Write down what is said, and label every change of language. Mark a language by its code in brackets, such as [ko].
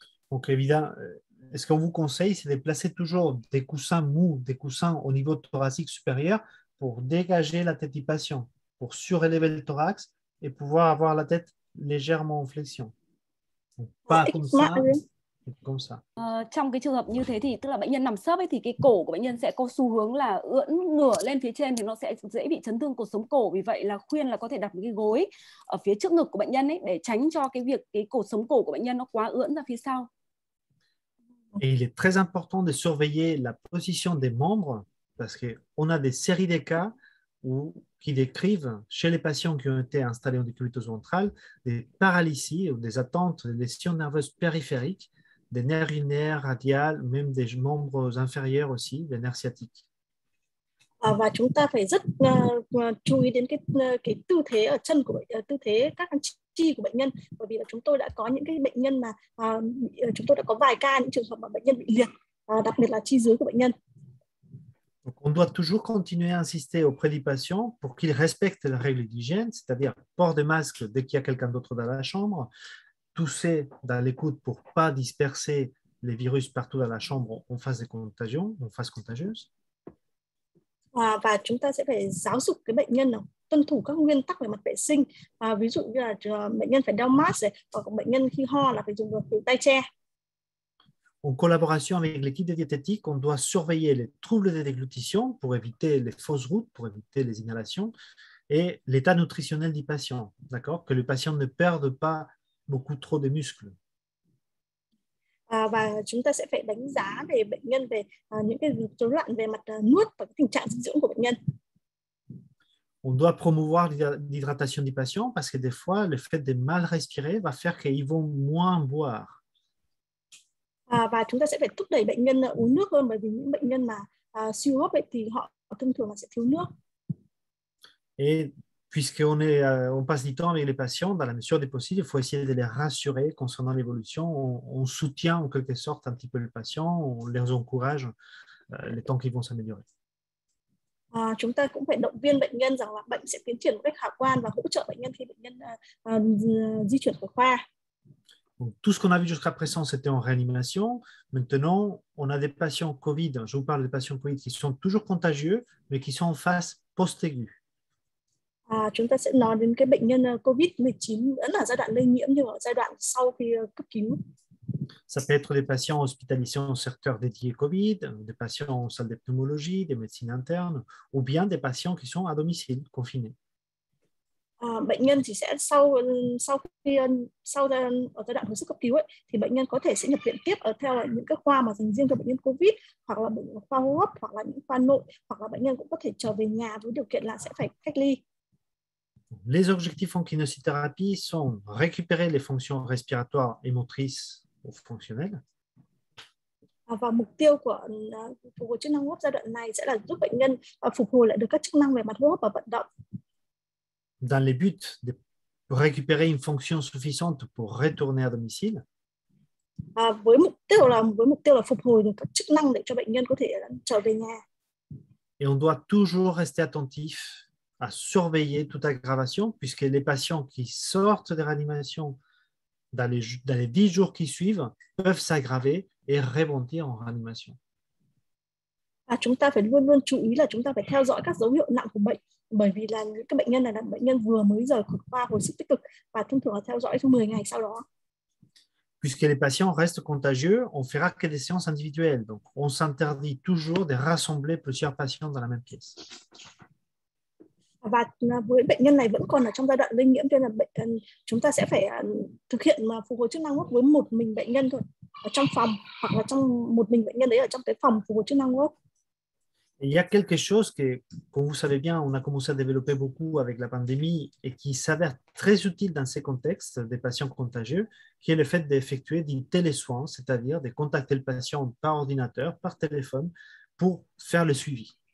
[fr] Ok, évidemment, est-ce qu'on vous conseille c'est de placer toujours des coussins mous, des coussins au niveau thoracique supérieur pour dégager la tête du patient, pour surélever le thorax et pouvoir avoir la tête légèrement en flexion. Pas comme ça. [vi] Trong cái trường hợp như thế thì tức là bệnh nhân nằm sấp ấy thì cái cổ của bệnh nhân sẽ có xu hướng là ưỡn ngửa lên phía trên thì nó sẽ dễ bị chấn thương cột sống cổ, vì vậy là khuyên là có thể đặt một cái gối ở phía trước ngực của bệnh nhân ấy để tránh cho cái việc cái cột sống cổ của bệnh nhân nó quá ưỡn ra phía sau. [fr] Et il est très important de surveiller la position des membres parce que on a des séries de cas où qui décrivent chez les patients qui ont été installés en décubitus ventral des paralysies ou des attentes, des lésions nerveuses périphériques, des nerfs urinaires, radiales, même des membres inférieurs aussi, des nerfs sciatiques. [vi] Và chúng ta phải rất chú ý đến cái tư thế ở chân của tư thế các chi của bệnh nhân, bởi vì là chúng tôi đã có những cái bệnh nhân mà chúng tôi đã có vài ca những trường hợp mà bệnh nhân bị liệt, đặc biệt là chi dưới của bệnh nhân. [fr] Donc on doit toujours continuer à insister auprès des patients pour qu'ils respectent les règles d'hygiène, c'est-à-dire port de masque dès qu'il y a quelqu'un d'autre dans la chambre, tousser dans les coudes pour ne pas disperser les virus partout dans la chambre en phase de contagion, en phase contagieuse. [vi] Và chúng ta sẽ phải giáo dục cái bệnh nhân tuân thủ các nguyên tắc về mặt vệ sinh. Ví dụ như là bệnh nhân phải đeo mask, hoặc bệnh nhân khi ho là phải dùng khẩu tay che. [fr] En collaboration avec l'équipe de diététique, on doit surveiller les troubles de déglutition pour éviter les fausses routes, pour éviter les inhalations et l'état nutritionnel du patient, d'accord? Que le patient ne perde pas beaucoup trop de muscles. [vi] Và chúng ta sẽ phải đánh giá về bệnh nhân về những cái rối loạn về mặt nuốt và cái tình trạng dinh dưỡng của bệnh nhân. [fr] On doit promouvoir l'hydratation du patient parce que des fois, le fait de mal respirer va faire qu'ils vont moins boire. [vi] Và chúng ta sẽ phải thúc đẩy bệnh nhân uống nước hơn, bởi vì những bệnh nhân mà suy hô hấp thì họ thông thường là sẽ thiếu nước. [fr] Et puisque on passe du temps avec les patients, dans la mesure du possible, il faut essayer de les rassurer concernant l'évolution. On soutient en quelque sorte un petit peu le patient, on les encourage les temps qu'ils vont s'améliorer. [vi] Chúng ta cũng phải động viên bệnh nhân rằng là bệnh sẽ tiến triển một cách khả quan và hỗ trợ bệnh nhân khi bệnh nhân di chuyển khỏi khoa. [fr] Donc, tout ce qu'on a vu jusqu'à présent, c'était en réanimation. Maintenant, on a des patients COVID. Je vous parle des patients COVID qui sont toujours contagieux, mais qui sont en phase post-aiguë. [vi] Chúng ta sẽ nói đến cái bệnh nhân COVID-19 vẫn là giai đoạn lây nhiễm, nhưng ở giai đoạn sau khi cấp cứu. [fr] Ça peut être des patients hospitalisés en secteur dédié COVID, des patients en salle de pneumologie, des médecines internes, ou bien des patients qui sont à domicile, confinés. [vi] Bệnh nhân thì sẽ sau khi ở giai đoạn hồi sức cấp cứu ấy, thì bệnh nhân có thể sẽ nhập viện tiếp ở theo là những cái khoa mà dành riêng cho bệnh nhân COVID hoặc là bệnh khoa hô hấp hoặc là những khoa nội hoặc là bệnh nhân cũng có thể trở về nhà với điều kiện là sẽ phải cách ly. [fr] Les objectifs en kinésithérapie sont récupérer les fonctions respiratoires et motrices fonctionnelles. [vi] Và mục tiêu của chức năng hô hấp giai đoạn này sẽ là giúp bệnh nhân phục hồi lại được các chức năng về mặt hô hấp và vận động. [fr] Dans le but de récupérer une fonction suffisante pour retourner à domicile. [vi] Với mục tiêu là phục hồi được các chức năng để cho bệnh nhân có thể trở về nhà. [fr] Et on doit toujours rester attentif à surveiller toute aggravation, puisque les patients qui sortent de réanimation dans les 10 jours qui suivent peuvent s'aggraver et remonter en réanimation. [vi] Chúng ta phải luôn luôn chú ý là chúng ta phải theo dõi các dấu hiệu nặng của bệnh. Bởi vì là các bệnh nhân này là bệnh nhân vừa mới rời khỏi khoa hồi sức tích cực và thông thường là theo dõi trong 10 ngày sau đó. [fr] Puisque les patients restent contagieux, on fera que des séances individuelles. Donc, on s'interdit toujours de rassembler plusieurs patients dans la même pièce. [vi] Và với bệnh nhân này vẫn còn ở trong giai đoạn lây nhiễm, cho nên là bệnh nhân, chúng ta sẽ phải thực hiện phục hồi chức năng hô hấp với một mình bệnh nhân thôi, ở trong phòng hoặc là trong một mình bệnh nhân đấy ở trong cái phòng phục hồi chức năng hô hấp. [fr] Il y a quelque chose que, comme vous savez bien, on a commencé à développer beaucoup avec la pandémie et qui s'avère très utile dans ces contextes des patients contagieux, qui est le fait d'effectuer des télésoins, c'est-à-dire de contacter le patient par ordinateur, par téléphone, pour faire le suivi.